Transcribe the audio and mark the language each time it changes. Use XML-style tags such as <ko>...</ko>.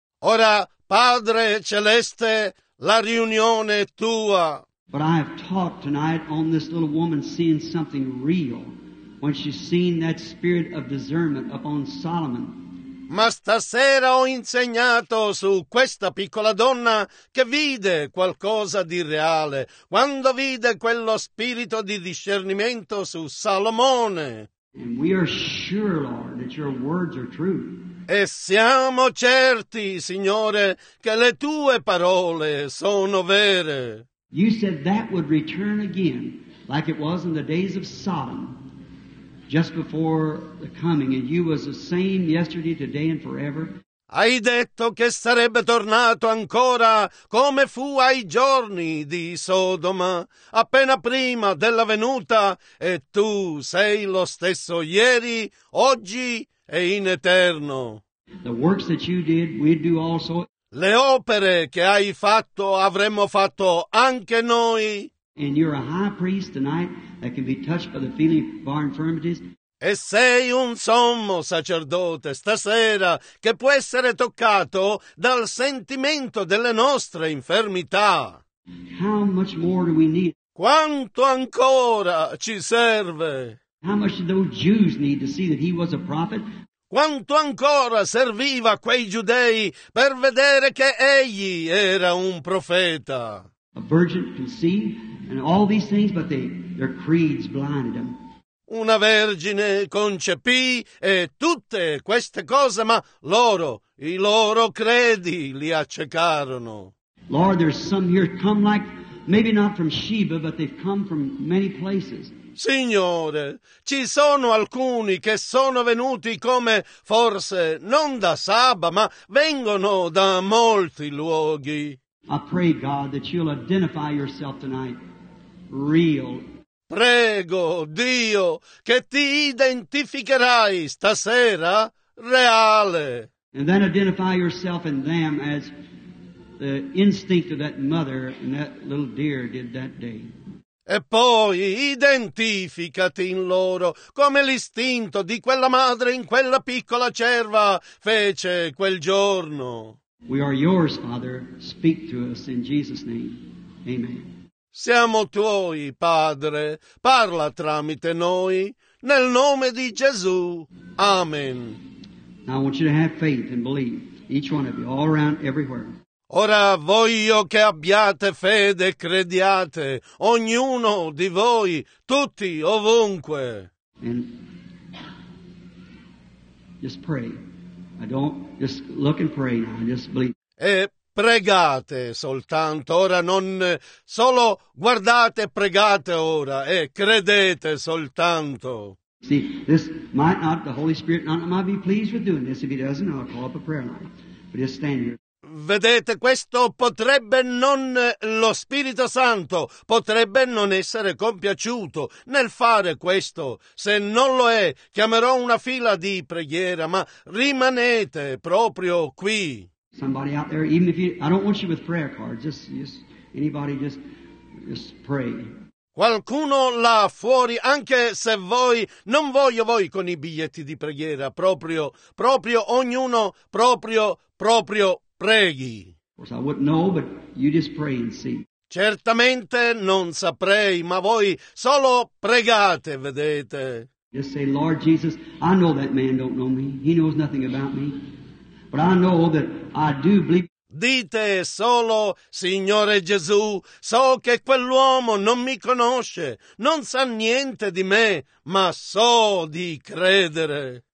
<it>Ora, Padre Celeste, la riunione è tua.</it> <en>But I have talked tonight on this little woman seeing something real when she's seen that spirit of discernment upon Solomon.</en> <it>Ma stasera ho insegnato su questa piccola donna che vide qualcosa di reale quando vide quello spirito di discernimento su Salomone.</it> <en>And we are sure, Lord, that your words are true.</en> <it>E siamo certi, Signore, che le tue parole sono vere.</it> <en>You said that would return again, like it was in the days of Sodom. Just before the coming, and you was the same yesterday, today, and forever.</en> <it>Hai detto che sarebbe tornato ancora come fu ai giorni di Sodoma, appena prima della venuta, e tu sei lo stesso ieri, oggi e in eterno.</it> <en>The works that you did, we do also.</en> <it>Le opere che hai fatto, avremmo fatto anche noi.</it> <en>And you're a high priest tonight that can be touched by the feeling of our infirmities.</en> <it>E sei un sommo sacerdote stasera che può essere toccato dal sentimento delle nostre infermità.</it> <en>How much more do we need?</en> <it>Quanto ancora ci serve?</it> <en>How much did those Jews need to see that he was a prophet?</en> <it>Quanto ancora serviva a quei giudei per vedere che egli era un profeta?</it> <en>A virgin conceived. And all these things, but their creeds blinded them.</en> <it>Una vergine concepì e tutte queste cose, ma loro, i loro credi li accecarono.</it> <en>Lord, there's some here come like, maybe not from Sheba, but they've come from many places.</en> <it>Signore, ci sono alcuni che sono venuti come forse non da Saba, ma vengono da molti luoghi.</it> <en>I pray, God, that you'll identify yourself tonight. Real.</en> <it>Prego, Dio, che ti identificherai stasera reale.</it> <en>And then identify yourself in them as the instinct of that mother and that little deer did that day.</en> <it>E poi identificati in loro come l'istinto di quella madre in quella piccola cerva fece quel giorno.</it> <en>We are yours, Father. Speak to us in Jesus' name. Amen.</en> <it>Siamo tuoi, Padre, parla tramite noi, nel nome di Gesù. Amen.</it> <en>Now I want you to have faith and believe, each one of you, all around, everywhere.</en> <it>Ora voglio che abbiate fede e crediate, ognuno di voi, tutti, ovunque.</it> <en>And just pray. I don't, just look and pray now, just believe.</en> <it>E pregate soltanto, ora non solo guardate, pregate ora e credete soltanto.</it> <en>See, this might not, the Holy Spirit might be pleased with doing this. If he doesn't, I'll call up a prayer line. But just stand here.</en> <it>Vedete, questo potrebbe non, lo Spirito Santo potrebbe non essere compiaciuto nel fare questo. Se non lo è, chiamerò una fila di preghiera, ma rimanete proprio qui.</it> <en>Somebody out there, even if you, I don't want you with prayer cards, just anybody, just pray.</en> <it>Qualcuno là fuori, anche se voi, non voglio voi con i biglietti di preghiera, proprio ognuno, proprio preghi.</it> <en>Of course I wouldn't know, but you just pray and see.</en> <it>Certamente non saprei, ma voi solo pregate, vedete.</it> <en>Just say, Lord Jesus, I know that man don't know me, he knows nothing about me. But I know that I do believe.</en> <it>dite solo, Signore Gesù, so che quell'uomo non mi conosce, non sa niente di me, ma so di credere.</it>